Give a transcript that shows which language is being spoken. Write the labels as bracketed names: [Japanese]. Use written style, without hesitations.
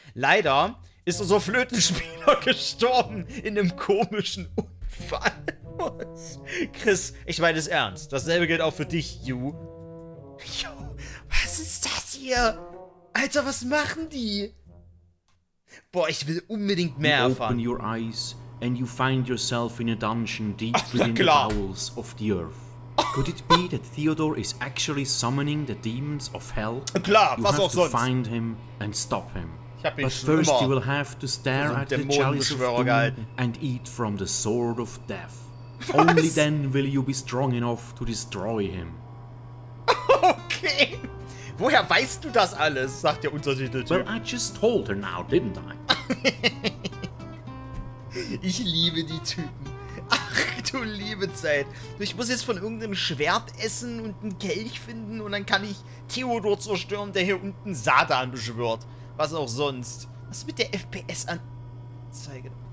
[German] Leider ist unser Flötenspieler gestorben in einem komischen Unfall. Was? Chris, ich meine es ernst. Dasselbe gilt auch für dich, Yu. Yo, was ist das hier? Alter, was machen die? Boah, ich will unbedingt mehr erfahren. [English] Open your eyes and you find yourself in a dungeon deep within the bowels of the earth. Could it be that Theodore is actually summoning the demons of hell? [German] Klar, was auch sonst. [English] You have to find him and stop him. [German] Ich hab ihn [English] But first you will have to stare at the chalice of doom and eat from the sword of death. [German] Was? [English] Only then will you be strong enough to destroy him. Okay. [German] Woher weißt du das alles? Sagt der Untertitel. [English] Well, I just told her now, didn't I? [German] Ich liebe die Typen. Ach, du liebe Zeit. Ich muss jetzt von irgendeinem Schwert essen und einen Kelch finden und dann kann ich Theodor zerstören, der hier unten Satan beschwört. Was auch sonst. Was ist mit der FPS-Anzeige?